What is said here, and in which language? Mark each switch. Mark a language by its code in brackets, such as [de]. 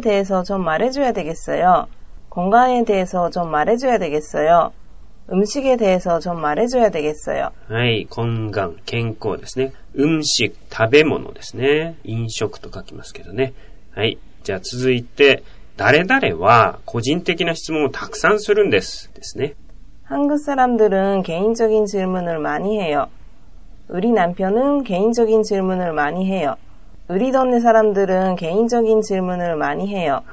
[ko] 대해서 좀 말해줘야 되겠어요. 건강에 대해서 좀 말해줘야 되겠어요. 음식에 대해서 좀 말해줘야 되겠어요. [ja] 네, 건강, 健康ですね.음식, 食べ物ですね. 飲食と書きますけどね. 네, 자, 続いて, 誰々は 個人的な 質問을 たくさん するんです. ですね. [ko] 한국 사람들은 개인적인 질문을 많이 해요. 우리 남편은 개인적인 질문을 많이 해요. 우리 동네 사람들은 개인적인 질문을 많이 해요.